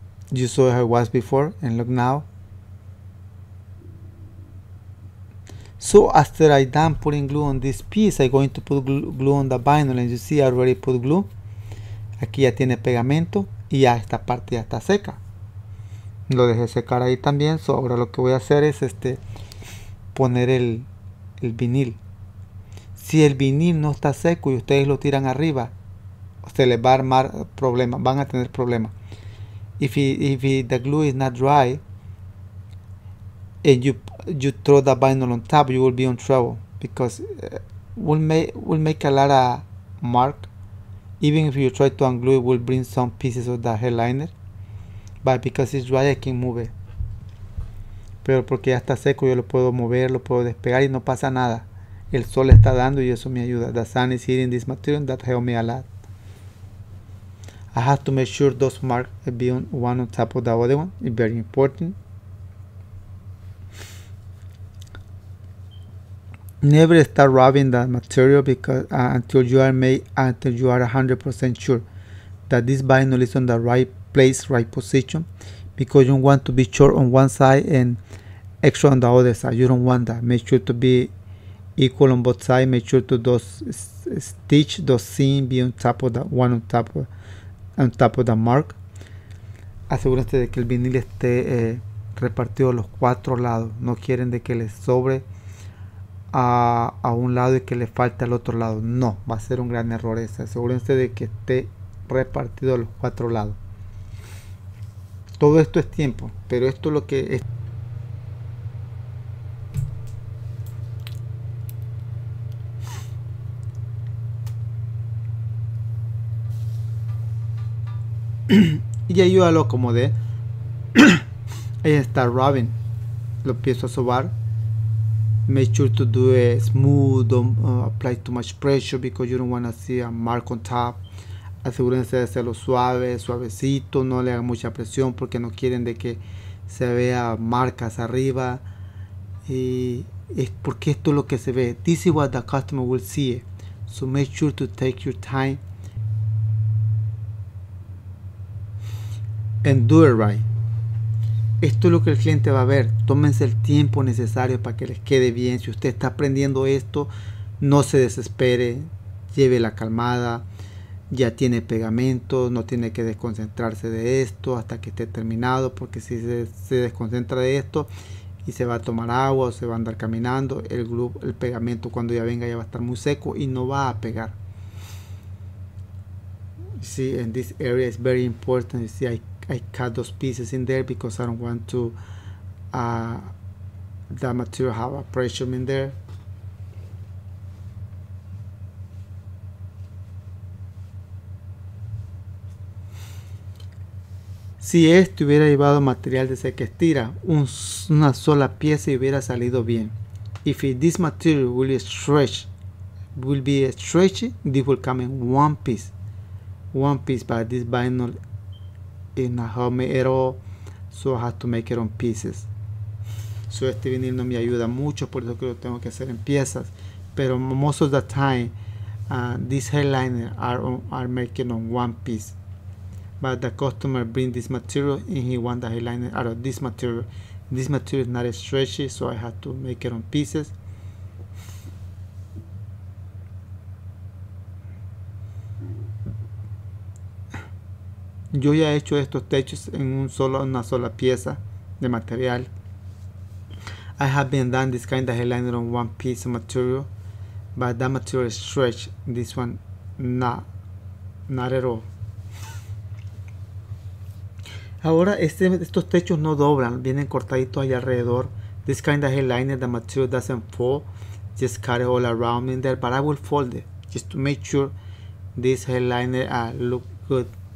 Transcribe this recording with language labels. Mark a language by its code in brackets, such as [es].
[en] You saw how it was before and look now. So after I done putting glue on this piece, I'm going to put glue on the vinyl, and you see I already put glue. [es] Aquí ya tiene pegamento y ya esta parte ya está seca. Lo dejé secar ahí también. So ahora lo que voy a hacer es poner el vinil. Si el vinil no está seco y ustedes lo tiran arriba, se les va a armar problema, van a tener problema. [en] If the glue is not dry, and you throw the vinyl on top, you will be in trouble because we'll make a lot of mark. Even if you try to unglue, it will bring some pieces of the headliner. But because it's dry, I can move it. [es] Pero porque ya está seco, yo lo puedo mover, lo puedo despegar y no pasa nada. El sol está dando y eso me ayuda. [en] The sun is hitting this material, that helps me a lot. I have to make sure those marks be on one on top of the other one. It's very important. Never start rubbing that material because until you are 100% sure that this vinyl is on the right place, right position, because you want to be short on one side and extra on the other side. You don't want that. Make sure to be equal on both sides. Make sure to those seam be on top of the one on top of the mark. [es] Asegúrate de que el vinil esté repartido a los cuatro lados. No quieren de que les sobre a un lado y que le falte al otro lado. No, va a ser un gran error ese. Asegúrense de que esté repartido a los cuatro lados. Todo esto es tiempo, pero esto es lo que es. y ahí yo ya lo acomodé. Ahí está Robin, lo empiezo a sobar. [en] Make sure to do it smooth, don't apply too much pressure because you don't want to see a mark on top. [es] Asegúrense de hacerlo suave, suavecito, no le hagan mucha presión porque no quieren de que se vea marcas arriba. Y es porque esto es lo que se ve. [en] This is what the customer will see. So make sure to take your time and do it right. [es] Esto es lo que el cliente va a ver. Tómense el tiempo necesario para que les quede bien. Si usted está aprendiendo esto, no se desespere. Lleve la calmada. Ya tiene pegamento. No tiene que desconcentrarse de esto hasta que esté terminado. Porque si se desconcentra de esto y se va a tomar agua o se va a andar caminando, el pegamento cuando ya venga ya va a estar muy seco y no va a pegar. [en] See, and this area is very important. You see, I cut those pieces in there because I don't want to the material have a pressure in there. [es] Si este hubiera llevado material de ese que estira, una sola pieza y hubiera salido bien. [en] If this material will be stretched, this will come in one piece. One piece, but this vinyl is not homemade at all, so I have to make it on pieces. [es] So este vinil no me ayuda mucho, por eso que lo tengo que hacer en piezas. [en] Pero most of the time, these headliners are making on one piece. But the customer bring this material and he want the headliner out of this material. This material is not stretchy, so I have to make it on pieces. [es] Yo ya he hecho estos techos en una sola pieza de material. [en] I have been done this kind of headliner on one piece of material, but that material is stretched. This one, not at all. [es] Ahora estos techos no doblan, vienen cortaditos allá alrededor. [en] This kind of headliner, the material doesn't fold. Just cut it all around in there, but I will fold it just to make sure this headliner look good.